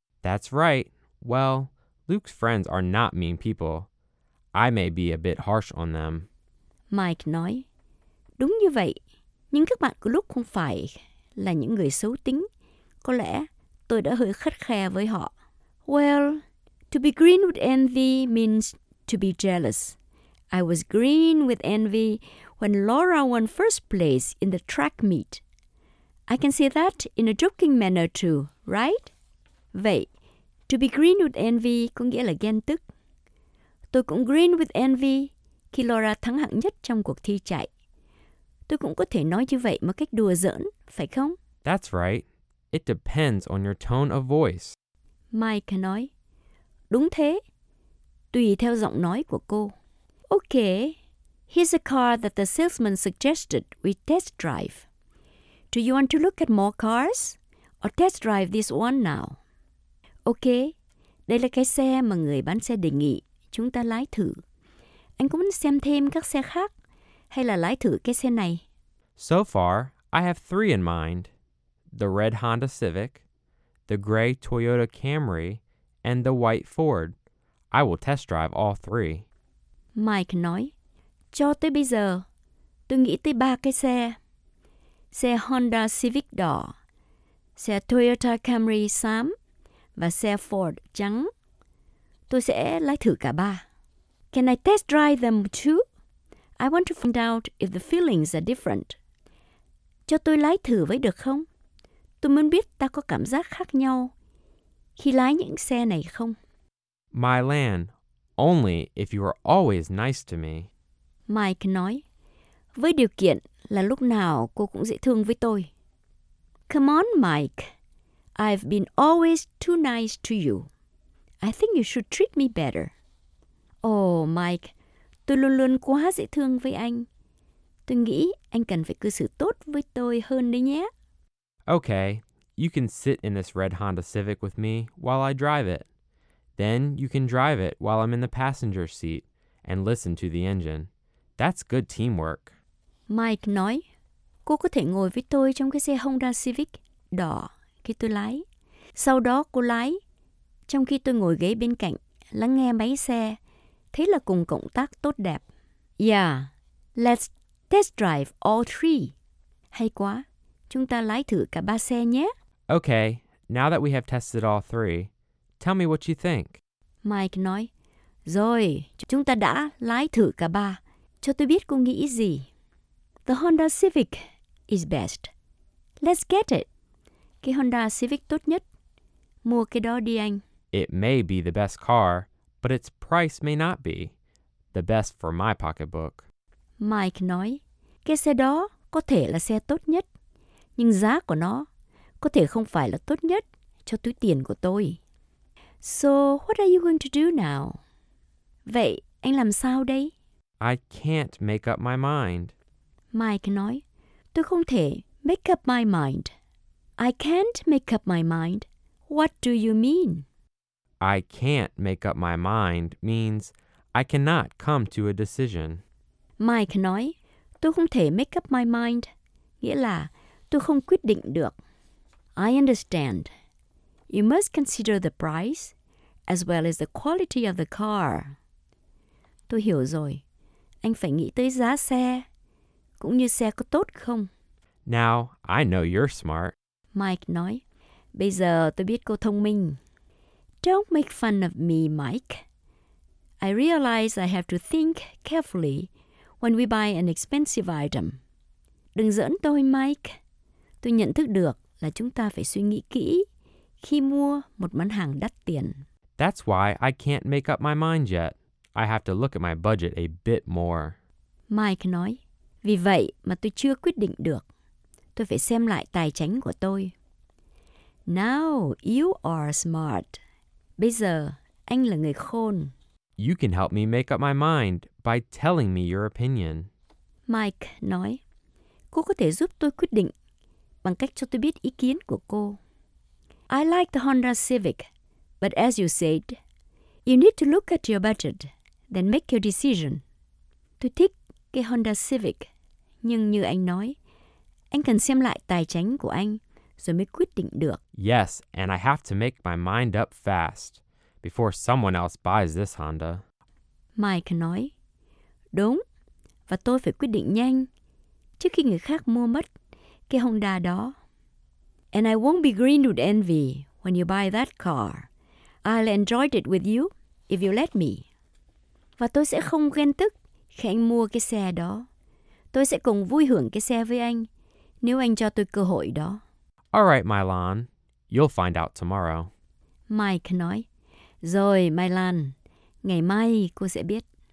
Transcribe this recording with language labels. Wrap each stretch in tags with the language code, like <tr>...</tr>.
<en>That's right. Well, Luke's friends are not mean people. I may be a bit harsh on them.</en> <vi>Mike nói, đúng như vậy, nhưng các bạn của Luke không phải là những người xấu tính. Có lẽ tôi đã hơi khắt khe với họ.</vi> <en>Well, to be green with envy means to be jealous. I was green with envy when Laura won first place in the track meet. I can say that in a joking manner too, right?</en> <vi>Vậy,</vi> <en>to be green with envy</en> <vi>có nghĩa là ghen tức. Tôi cũng</vi> <en>green with envy</en> <vi>khi Laura thắng hạng nhất trong cuộc thi chạy. Tôi cũng có thể nói như vậy một cách đùa giỡn, phải không?</vi> <en>That's right. It depends on your tone of voice.</en> <vi>Mike nói, đúng thế. Tùy theo giọng nói của cô.</vi> <en>Okay, here's a car that the salesman suggested we test drive. Do you want to look at more cars or test drive this one now?</en> <vi>Okay, đây là cái xe mà người bán xe đề nghị chúng ta lái thử. Anh có muốn xem thêm các xe khác hay là lái thử cái xe này?</vi> <en>So far, I have three in mind. The red Honda Civic, the gray Toyota Camry, and the white Ford. I will test drive all three.</en> <vi>Mike nói, cho tới bây giờ, tôi nghĩ tới ba cái xe. Xe Honda Civic đỏ, xe Toyota Camry xám và xe Ford trắng. Tôi sẽ lái thử cả ba.</vi> <en>Can I test drive them too? I want to find out if the feelings are different.</en> <vi>Cho tôi lái thử với được không? Tôi muốn biết ta có cảm giác khác nhau khi lái những xe này không?</vi> <en>My land, only if you are always nice to me.</en> <vi>Mike nói, với điều kiện là lúc nào cô cũng dễ thương với tôi.</vi> <en>Come on, Mike. I've been always too nice to you. I think you should treat me better.</en> <vi>Oh, Mike, tôi luôn luôn quá dễ thương với anh. Tôi nghĩ anh cần phải cư xử tốt với tôi hơn đấy nhé.</vi> <en>Okay, you can sit in this red Honda Civic with me while I drive it. Then you can drive it while I'm in the passenger seat and listen to the engine. That's good teamwork.</en> <vi>Mike nói, cô có thể ngồi với tôi trong cái xe Honda Civic đỏ khi tôi lái. Sau đó cô lái, trong khi tôi ngồi ghế bên cạnh, lắng nghe máy xe. Thế là cùng cộng tác tốt đẹp.</vi> <en>Yeah, let's test drive all three.</en> <vi>Hay quá. Chúng ta lái thử cả ba xe nhé.</vi> <en>Okay, now that we have tested all three, tell me what you think.</en> <vi>Mike nói, rồi, chúng ta đã lái thử cả ba. Cho tôi biết cô nghĩ gì.</vi> <en>The Honda Civic is best. Let's get it.</en> <vi>Cái Honda Civic tốt nhất. Mua cái đó đi anh.</vi> <en>It may be the best car, but its price may not be the best for my pocketbook.</en> <vi>Mike nói, cái xe đó có thể là xe tốt nhất. Nhưng giá của nó có thể không phải là tốt nhất cho túi tiền của tôi.</vi> <en>So, what are you going to do now?</en> <vi>Vậy, anh làm sao đây?</vi> <en>I can't make up my mind.</en> <vi>Mike nói, tôi không thể</vi> <en>make up my mind. I can't make up my mind. What do you mean? I can't make up my mind means I cannot come to a decision.</en> <vi>Mike nói, tôi không thể</vi> <en>make up my mind.</en> <vi>Nghĩa là, tôi không quyết định được.</vi> <en>I understand. You must consider the price as well as the quality of the car.</en> <vi>Tôi hiểu rồi. Anh phải nghĩ tới giá xe, cũng như xe có tốt không.</vi> <en>Now, I know you're smart.</en> <vi>Mike nói, bây giờ tôi biết cô thông minh.</vi> <en>Don't make fun of me, Mike. I realize I have to think carefully when we buy an expensive item.</en> <vi>Đừng giỡn tôi, Mike. Tôi nhận thức được là chúng ta phải suy nghĩ kỹ khi mua một món hàng đắt tiền.</vi> <en>That's why I can't make up my mind yet. I have to look at my budget a bit more.</en> <vi>Mike nói, vì vậy mà tôi chưa quyết định được. Tôi phải xem lại tài chính của tôi.</vi> <en>Now you are smart.</en> <vi>Bây giờ, anh là người khôn.</vi> <en>You can help me make up my mind by telling me your opinion.</en> <vi>Mike nói, cô có thể giúp tôi quyết định bằng cách cho tôi biết ý kiến của cô.</vi> <en>I like the Honda Civic, but as you said, you need to look at your budget, then make your decision.</en> <vi>Tôi thích cái Honda Civic, nhưng như anh nói, anh cần xem lại tài chính của anh rồi mới quyết định được.</vi> <en>Yes, and I have to make my mind up fast before someone else buys this Honda.</en> <vi>Mike nói, đúng, và tôi phải quyết định nhanh trước khi người khác mua mất cái Honda đó.</vi> <en>And I won't be green with envy when you buy that car. I'll enjoy it with you if you let me.</en> <vi>Và tôi sẽ không ghen tức khi anh mua cái xe đó. Tôi sẽ cùng vui hưởng cái xe với anh nếu anh cho tôi cơ hội đó.</vi> <en>All right, Mylan. You'll find out tomorrow.</en> <vi>Mike nói, rồi, Mylan, ngày mai cô sẽ biết.</vi>